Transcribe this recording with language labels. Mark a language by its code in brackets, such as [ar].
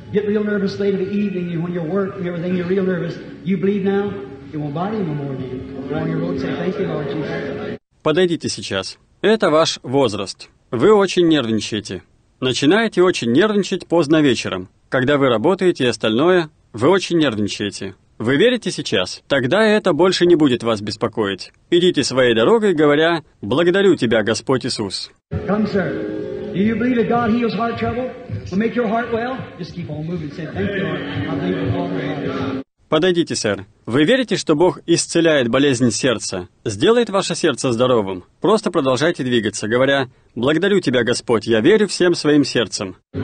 [en] Get real nervous late in the evening when you're working and everything. You're real nervous. You bleed now. It won't bother you no more, do you? Go on your road and say, thank you, Lord Jesus. [ru] Подойдите сейчас. Это ваш возраст. Вы очень нервничаете. Начинаете очень нервничать поздно вечером. Когда вы работаете и остальное, вы очень нервничаете. Вы верите сейчас? Тогда это больше не будет вас беспокоить. Идите своей дорогой, говоря, «Благодарю тебя, Господь Иисус». [en] Come, sir. Do you believe that God heals heart trouble? Will make your heart well? Just keep on moving. Say, thank you, Lord. I believe with all my heart. [ru] Подойдите, сэр. Вы верите, что Бог исцеляет болезнь сердца? Сделает ваше сердце здоровым? Просто продолжайте двигаться, говоря, «Благодарю тебя, Господь, я верю всем своим сердцем».